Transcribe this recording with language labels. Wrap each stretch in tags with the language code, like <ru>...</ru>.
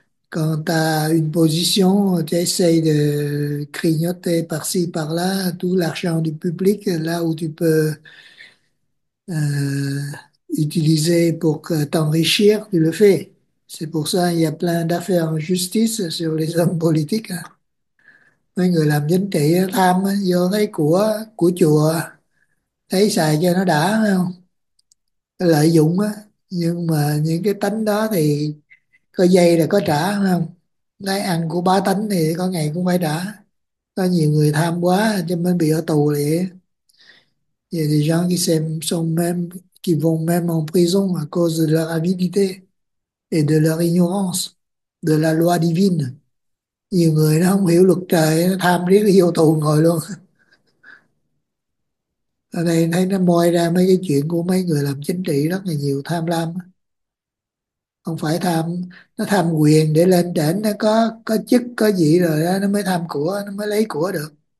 <fr>Quand tu as une position, tu essayes de grignoter par-ci, par-là, tout l'argent du public, là où tu peux utiliser pour t'enrichir, tu le fais. C'est pour ça qu'il y a plein d'affaires en justice sur les hommes politiques.</fr> <vi>Mấy người làm chính trị tham vô thấy của chùa, thấy xài cho nó đã, không lợi dụng á. Nhưng mà những cái tánh đó thì có dây là có trả, không lấy ăn của bá tánh thì có ngày cũng phải trả. Có nhiều người tham quá cho nên bị ở tù liền.</vi> <fr>Il y a des gens qui s'aiment, sont même, qui vont même en prison à cause de leur avidité et de leur ignorance de la loi divine.</fr> <vi>Nhiều người nó không hiểu luật trời, nó tham riết vô tù ngồi luôn. Ở đây thấy nó moi ra mấy cái chuyện của mấy người làm chính trị rất là nhiều tham lam. Không phải tham, nó tham quyền để lên trển, nó có chức, có gì rồi đó, nó mới tham của, nó mới lấy của được.</vi>